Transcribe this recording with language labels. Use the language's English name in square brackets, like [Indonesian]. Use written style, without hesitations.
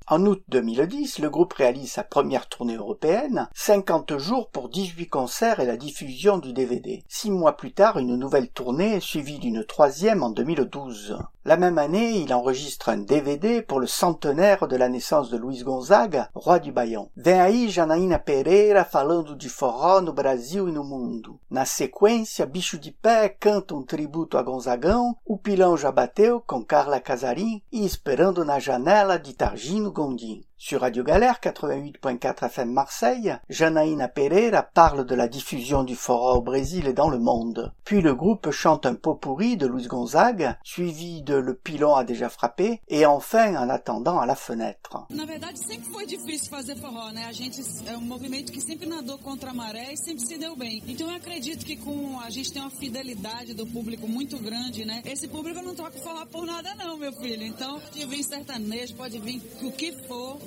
[French] En août 2010, le groupe réalise sa première tournée européenne, 50 jours pour 18 concerts et la diffusion du DVD. 6 mois plus tard, une nouvelle tournée suivie d'une 3e en 2012. La même année, il enregistre un DVD pour le centenaire de la naissance de Luiz Gonzaga, roi du Baião. [Portuguese] Vem aí Janaína Pereira falando de forró no Brasil e no mundo. Na sequência, Bichou Dupin canta um tributo a Gonzagão, O Pilão Já Bateu com Carla Casarim e Esperando na Janela de Targino Gondim. [French] Sur Radio Galère 88.4 FM Marseille, Janaína Pereira parle de la diffusion du forró au Brésil et dans le monde. Puis le groupe chante un pot-pourri de Luiz Gonzaga, suivi de Le Pilon a déjà frappé, et enfin En attendant à la fenêtre. [Portuguese] Na verdade, sempre foi difícil fazer forró, né? A gente é um movimento que sempre nadou contra a maré e sempre se deu bem. Então eu acredito que com a gente tem uma fidelidade do público muito grande, né? Esse público não troca forró por nada não, meu filho. Então pode vir sertanejo, pode vir o que for.